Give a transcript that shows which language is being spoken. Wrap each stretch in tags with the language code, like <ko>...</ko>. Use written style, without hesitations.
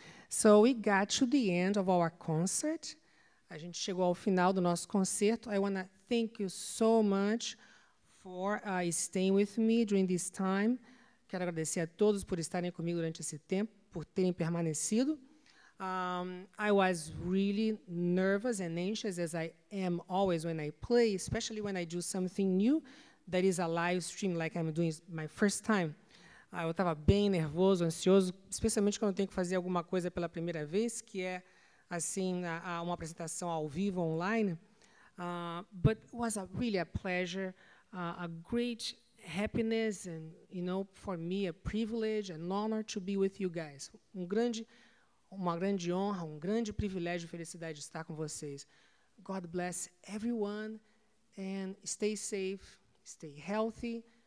<en>So we got to the end of our concert.</en> <pt>A gente chegou ao final do nosso concerto.</pt> <en>I want to thank you so much for staying with me during this time.</en> <pt>Quero agradecer a todos por estarem comigo durante esse tempo, por terem permanecido.</pt> <en>I was really nervous and anxious, as I am always when I play, especially when I do something new that is a live stream, like I'm doing my first time.</en> <pt>Ah, eu estava bem nervoso, ansioso, especialmente quando eu tenho que fazer alguma coisa pela primeira vez, que é assim, uma apresentação ao vivo, online.</pt> <en>But it was really a pleasure, a great happiness, and you know, for me, a privilege, an honor to be with you guys.</en> <pt>Uma grande honra, um grande privilégio e felicidade de estar com vocês.</pt> <en>God bless everyone, and stay safe, stay healthy.</en>